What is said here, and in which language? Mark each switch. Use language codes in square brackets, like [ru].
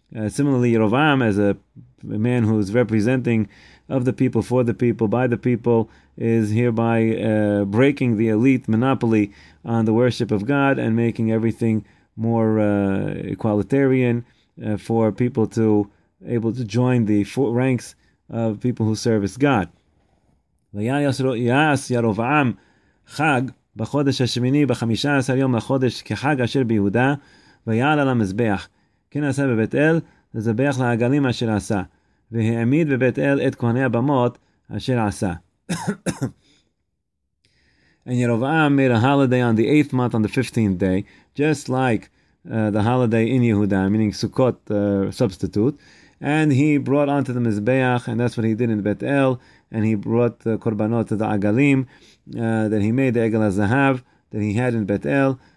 [en] Similarly, Yerovaam, as a man who is representing of the people, for the people, by the people, is hereby breaking the elite monopoly on the worship of God and making everything more egalitarian for people to able to join the ranks of people who service God. [he] Yas Yerovaam Chag. בחודש השמיני, בחמישה עשר יום לחודש, כחג אשר ביהודה, ויעל על המזבח. כן עשה בבית אל, לזבח לעגלים אשר עשה. והעמיד בבית אל את כהני הבמות, Asher Asa. [en] And Yerovam made a holiday on the 8th month, on the 15th day, just like the holiday in Yehuda, meaning Sukkot substitute. And he brought onto the Mizbeach, and that's what he did in Bet El, and he brought the Korbanot to the Agalim, that he made the Egel HaZahav, that he had in Bet El.